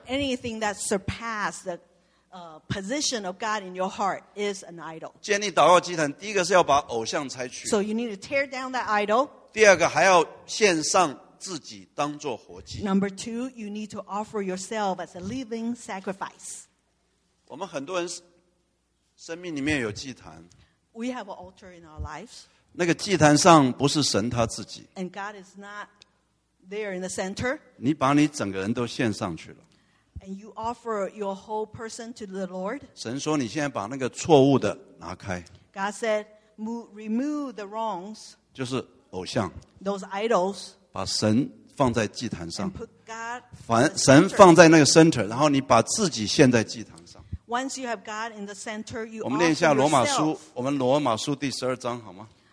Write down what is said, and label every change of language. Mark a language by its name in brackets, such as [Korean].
[English] Anything that surpasses the position of God in your heart is an idol. [Chinese] 建立祷告祭坛，第一个是要把偶像拆去。 [English] So you need to tear down that idol. [Chinese] 第二个，还要献上自己当作活祭。 [English] Number two, you need to offer yourself as a living sacrifice. [Chinese] 我们很多人生命里面有祭坛。 [English] We have an altar in our lives. [Chinese] 那个祭坛上不是神他自己。 [English] And God is not there in the center. [Chinese] 你把你整个人都献上去了。And [English] you offer your whole person to the Lord. [Chinese] 神说你现在把那个错误的拿开。 [English] God said, remove the wrongs. [Chinese] 就是偶像。 [English] Those idols. [Chinese] 把神放在祭坛上。 [English] And put God. [Chinese] 神放在那个center， 然后你把自己献在祭坛。 [English] Once you have God in the center, you offer yourself. [Chinese] 我们念一下罗马书第十二章好吗？